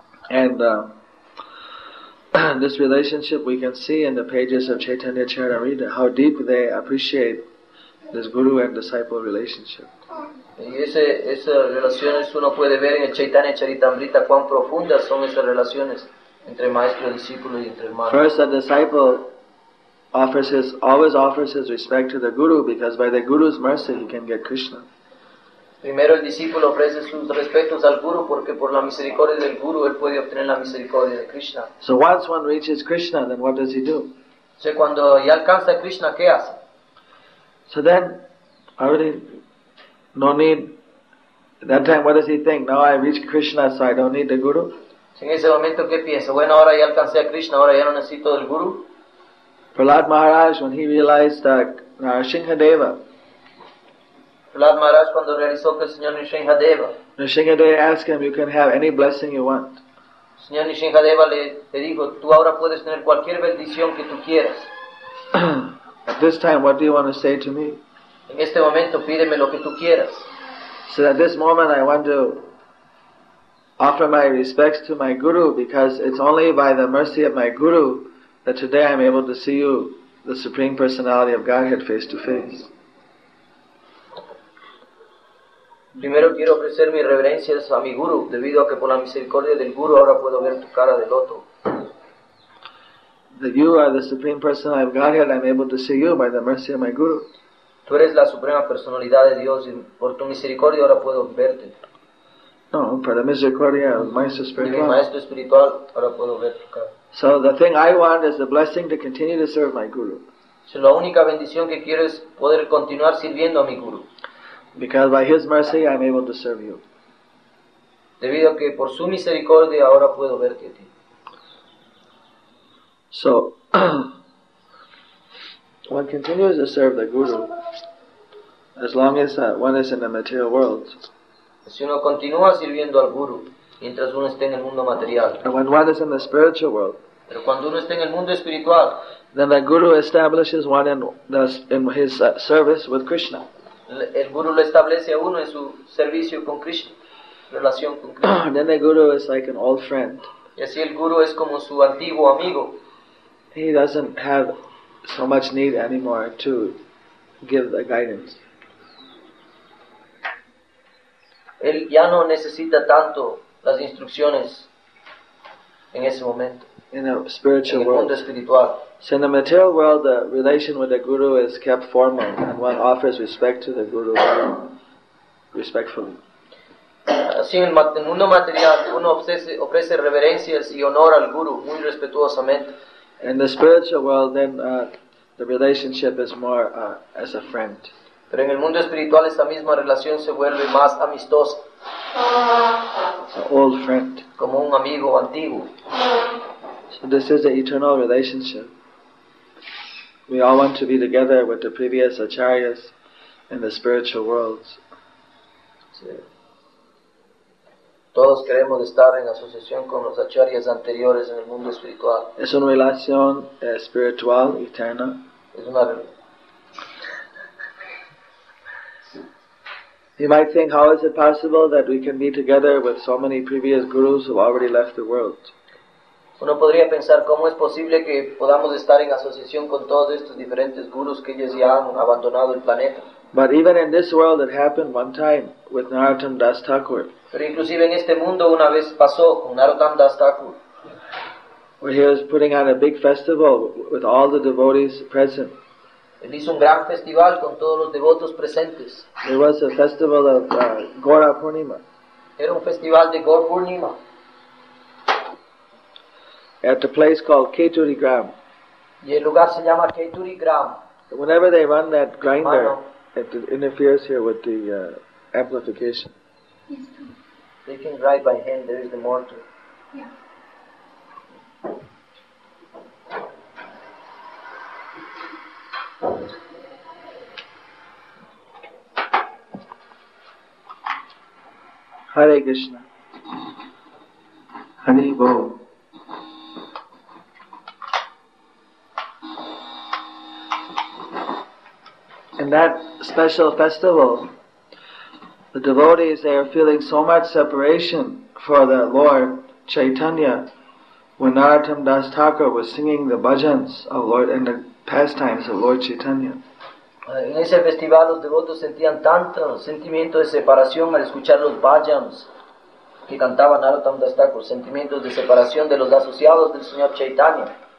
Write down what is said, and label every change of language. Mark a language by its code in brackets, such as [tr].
[en] And this relationship we can see in the pages of Chaitanya Charitamrita, how deep they appreciate this guru and disciple relationship. [es] Y esas relaciones uno puede ver en el Chaitanya Charitamrita cuán profundas son esas relaciones entre maestro y discípulo y entre hermano. [en] First, the disciple always offers his respect to the guru, because by the guru's mercy he can get Krishna. [es] Primero el discípulo ofrece sus respetos al guru porque por la misericordia del guru él puede obtener la misericordia de Krishna. [en] So once one reaches Krishna, then what does he do? [es] Entonces cuando ya alcanza Krishna, ¿qué hace? [en] So then, already, no need. That time, what does he think? Now I reached Krishna, so I don't need the guru. [es] En ese momento, ¿qué piensa? Bueno, ahora ya alcancé a Krishna, ahora ya no necesito del guru. [en] Prahlad Maharaj, when he realized that Narasimhadeva. [es] Prahlad Maharaj, cuando realizó que el señor Nrisimhadeva. [en] Nrisimhadeva asked him, "You can have any blessing you want." [es] Señor Nrisimhadeva le dijo, "Tú ahora puedes tener cualquier bendición que tú quieras." [en] At this time, what do you want to say to me? [es] En este momento, pídeme lo que tú quieras. [en] So at this moment, I want to offer my respects to my guru, because it's only by the mercy of my guru that today I'm able to see you, the Supreme Personality of Godhead, face to face. [es] Primero quiero ofrecer mis reverencias a mi guru, debido a que por la misericordia del guru ahora puedo ver tu cara de loto. [en] That you are the Supreme Personality of Godhead, I'm able to see you by the mercy of my guru. [es] Tú eres la suprema personalidad de Dios y por tu misericordia ahora puedo verte. No, por la misericordia del maestro espiritual. De mi maestro espiritual ahora puedo ver tu cara. [en] So the thing I want is the blessing to continue to serve my guru. [es] Si la única bendición que quiero es poder continuar sirviendo a mi guru. [en] Because by his mercy I'm able to serve you. [es] Debido a que por su misericordia ahora puedo verte a ti. [en] So, one continues to serve the guru as long as one is in the material world. [es] Si uno continúa sirviendo al guru mientras uno esté en el mundo material. [en] And when one is in the spiritual world. [es] Pero cuando uno esté en el mundo espiritual. [en] Then the guru establishes one in his service with Krishna. [es] El guru lo establece a uno en su servicio con Krishna, relación con Krishna. [en] Then the guru is like an old friend. [es] Y así el guru es como su antiguo amigo. [en] He doesn't have so much need anymore to give the guidance. [es] Él ya no necesita tanto las instrucciones en ese momento. [en] In a spiritual world. [es] En el mundo espiritual. [en] So in the material world, the relation with the guru is kept formal, and one offers respect to the guru respectfully. [es] Así en el mundo material, uno ofrece reverencias y honor al guru muy respetuosamente. [en] In the spiritual world, then the relationship is more as a friend. [es] Pero en el mundo espiritual, esta misma relación se vuelve más amistosa. [en] It's an old friend. [es] Como un amigo antiguo. [en] So this is an eternal relationship. We all want to be together with the previous acharyas in the spiritual worlds. [es] Todos queremos estar en asociación con los acharyas anteriores en el mundo espiritual. Es una relación espiritual eterna. Es una. [en] You might think, how is it possible that we can be together with so many previous gurus who have already left the world? [es] Uno podría pensar, ¿cómo es posible que podamos estar en asociación con todos estos diferentes gurus que ellos ya han abandonado el planeta? [en] But even in this world, it happened one time with Narottam Das Thakur. [es] Pero inclusive en este mundo una vez pasó con Narottam Das Thakur. [en] Where he was putting on a big festival with all the devotees present. [es] Él hizo un gran festival con todos los devotos presentes. [en] It was a festival of Gaura Purnima. [es] Era un festival de Gaura Purnima. [en] At a place called Keturi Gram. [es] Y el lugar se llama Keturi Gram. [en] Whenever they run that grinder, it interferes here with the amplification. Yes, sir. They can drive by hand. There is the mortar. Yeah. Hare Krishna. Hare Bol. In that special festival, the devotees, they are feeling so much separation for the Lord Chaitanya. When Narottam Das Thakur was singing the bhajans of Lord and the pastimes of Lord Chaitanya. [es] En ese festival los devotos sentían tanto sentimiento de separación al escuchar los bhajans que cantaba Narottam Das Thakur, sentimientos de separación de los asociados del Señor Chaitanya.